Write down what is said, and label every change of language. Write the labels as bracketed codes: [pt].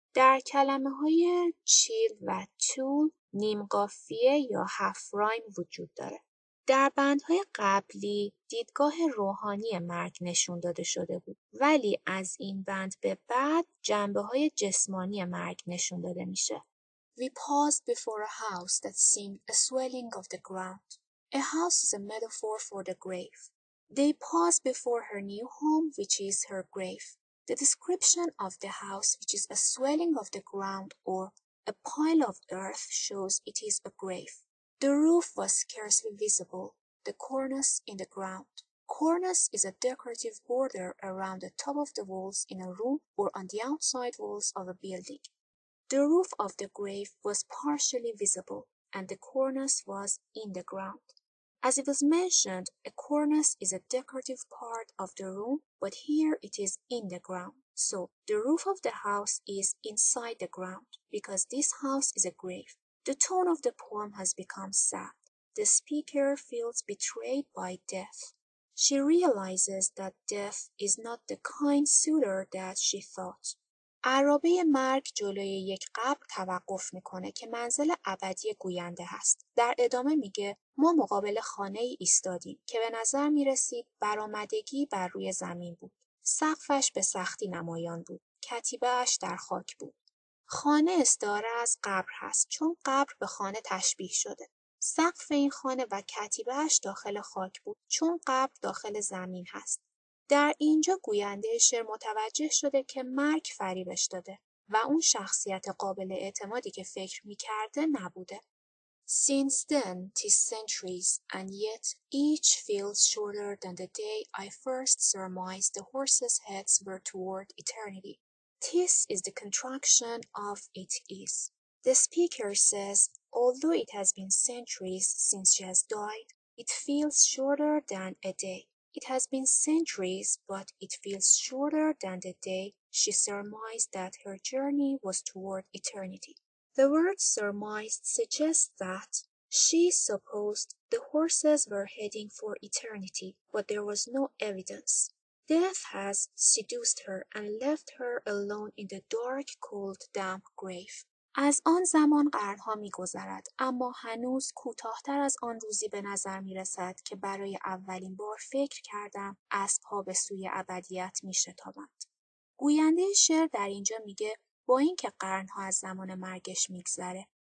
[fa] در کلمه های چیل و تول نیم قافیه یا هف رایم وجود داره. در بندهای قبلی دیدگاه روحانی مرگ نشون داده شده بود. ولی از این بند به بعد جنبه های جسمانی مرگ نشون داده میشه. [en] We paused before a house that seemed a swelling of the ground. A house is a metaphor for the grave. They paused before her new home, which is her grave. The description of the house, which is a swelling of the ground or a pile of earth, shows it is a grave. The roof was scarcely visible, the cornice in the ground. Cornice is a decorative border around the top of the walls in a room or on the outside walls of a building. The roof of the grave was partially visible, and the cornice was in the ground. As it was mentioned, a cornice is a decorative part of the room, but here it is in the ground. So, the roof of the house is inside the ground, because this house is a grave. The tone of the poem has become sad. The speaker feels betrayed by death. She realizes that death is not the kind suitor that she thought. [fa] عرابه مرگ جلوی یک قبر توقف میکنه که منزل ابدی گوینده هست. در ادامه میگه ما مقابل خانه ای ایستادیم که به نظر میرسید برآمدگی بر روی زمین بود. سقفش به سختی نمایان بود. کتیبهش در خاک بود. خانه استاره از قبر هست چون قبر به خانه تشبیه شده. سقف این خانه و کتیبهش داخل خاک بود چون قبر داخل زمین هست. در اینجا گوینده شعر متوجه شده که مرگ فریبش داده و اون شخصیت قابل اعتمادی که فکر می‌کرده نبوده. [en] Since then, 'tis centuries, and yet each feels shorter than the day I first surmised the horses' heads were toward eternity. 'Tis is the contraction of it is. The speaker says, although it has been centuries since she has died, it feels shorter than a day. It has been centuries, but it feels shorter than the day she surmised that her journey was toward eternity. The word surmised suggests that she supposed the horses were heading for eternity, but there was no evidence. Death has seduced her and left her alone in the dark, cold, damp grave. [fa] از آن زمان قرنها می گذرد، اما هنوز کوتاه‌تر از آن روزی به نظر می رسد که برای اولین بار فکر کردم اسب‌ها به سوی ابدیت می شتابند. گوینده شعر در اینجا می گه با اینکه قرنها از زمان مرگش می گذره،